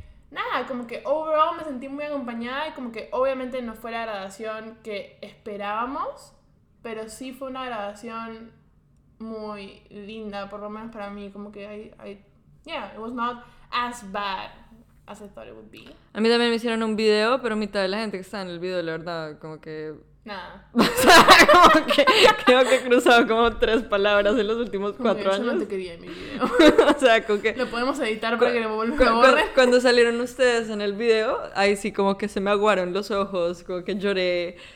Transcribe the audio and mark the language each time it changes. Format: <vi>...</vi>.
<es>Nada, como que overall me sentí muy acompañada y como que obviamente no fue la graduación que esperábamos, pero sí fue una graduación muy linda, por lo menos para mí. Como que</es> <en>it was not as bad as I thought it would be.</en> <es>A mí también me hicieron un video, pero mitad de la gente que está en el video, la verdad, como que... Nada. O sea, como que creo que he cruzado como tres palabras en los últimos cuatro años. Yo no te quería en mi video. O sea, como que... Lo podemos editar para que lo borres. Cuando salieron ustedes en el video, ahí sí como que se me aguaron los ojos, como que lloré...</es>